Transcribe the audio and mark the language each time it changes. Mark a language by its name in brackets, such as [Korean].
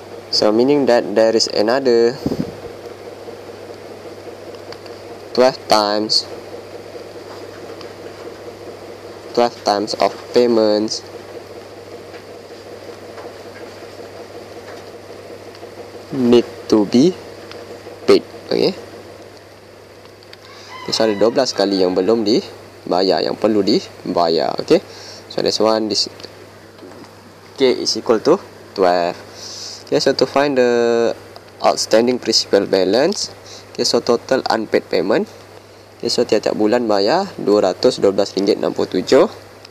[English] So meaning that there is another 12 times of payments need to be paid. Okay. [Indonesian] So ada 12 kali yang belum dibayar, yang perlu dibayar. [English] Okay. So this one, this K is equal to 12. Okay, so to find the outstanding principal balance, okay, so total unpaid payment, okay, so [Indonesian] tiap-tiap bulan bayar RM212.67.